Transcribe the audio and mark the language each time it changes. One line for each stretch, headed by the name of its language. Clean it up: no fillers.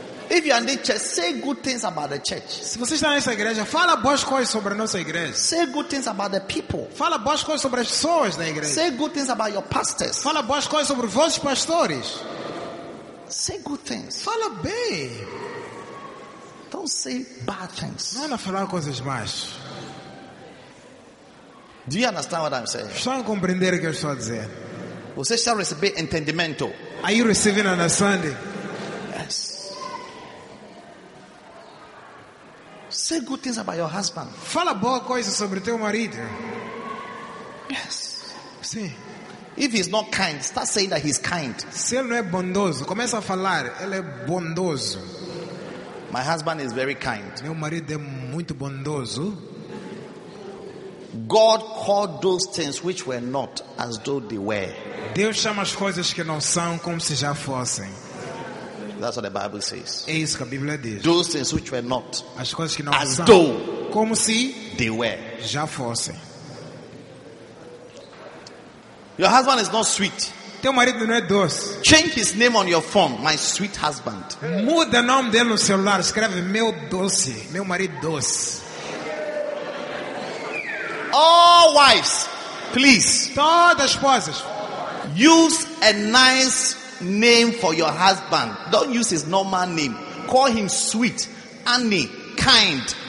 English: If you are in the church, say good things about the church.
Portuguese: Se você está nessa igreja, fala boas coisas sobre a nossa igreja.
English: Say good things about the people.
Portuguese: Fala boas coisas sobre as pessoas da igreja.
English: Say good things about your pastors.
Portuguese: Fala boas coisas sobre os vossos pastores.
English: Say good things.
Portuguese: Fala bem.
English: Don't say bad things.
Portuguese: Não anda a falar coisas más.
English: Do you understand what I'm saying?
Portuguese: Estão a compreender o que eu estou a dizer? Você está a receber entendimento?
English: Are you receiving understanding? Yes. Say good things about your husband.
Portuguese: Fala boa coisa sobre teu marido.
English: Yes.
Portuguese: Sim.
English: If he's not kind, start saying that he's kind.
Portuguese: Se ele não é bondoso, começa a falar, ele é bondoso.
English: My husband is very kind.
Portuguese: Meu marido é muito bondoso.
English: God called those things which were not as though they were.
Portuguese: Deus chama as coisas que não são como se já fossem.
English: That's what the Bible says.
Portuguese: É isso que a Bíblia diz.
English: Those things which were not,
Portuguese: as coisas que não as são,
English: though,
Portuguese: como se
English: they were,
Portuguese: já fossem.
English: Your husband is not sweet.
Portuguese: Teu marido não é doce.
English: Change his name on your phone, my sweet husband.
Portuguese: Muda o nome dele no celular, escreve meu doce, meu marido doce.
English: All wives, please.
Portuguese: Todas as esposas.
English: Use a nice name for your husband. Don't use his normal name. Call him sweet, Annie, kind.